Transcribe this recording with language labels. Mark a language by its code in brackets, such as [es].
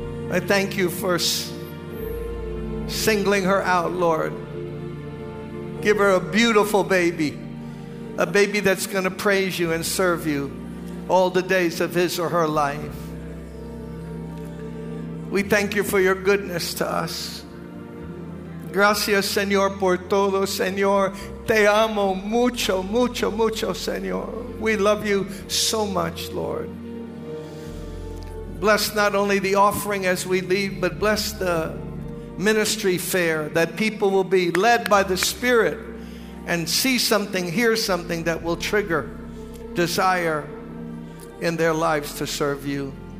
[en] I thank you for singling her out, Lord. Give her a beautiful baby. A baby that's going to praise you and serve you all the days of his or her life. We thank you for your goodness to us. [es] Gracias, Señor, por todo, Señor. Te amo mucho, mucho, mucho, Señor. [en] We love you so much, Lord. Bless not only the offering as we leave, but bless the ministry fair, that people will be led by the Spirit and see something, hear something that will trigger desire in their lives to serve you.